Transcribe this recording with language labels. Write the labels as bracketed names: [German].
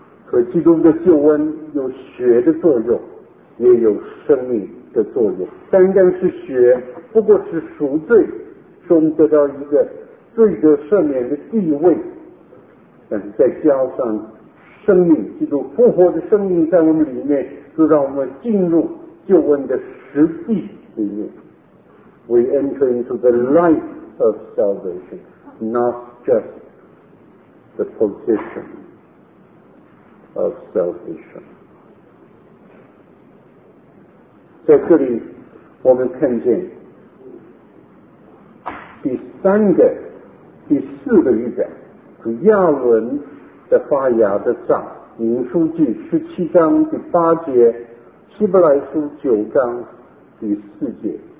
[Chinese] 可基督的救恩有血的作用，也有生命的作用，单单是血不过是赎罪，中得到一个罪得赦免的地位，但是再加上生命，基督复活的生命在我们里面，就让我们进入救恩的实际里面。 [English] We enter into the life of salvation, not just the position of salvation。 [Chinese] 在这里我们看见第三个、第四个预表，是亚伦的发芽的杖，民书记十七章第八节，希伯来书九章第四节。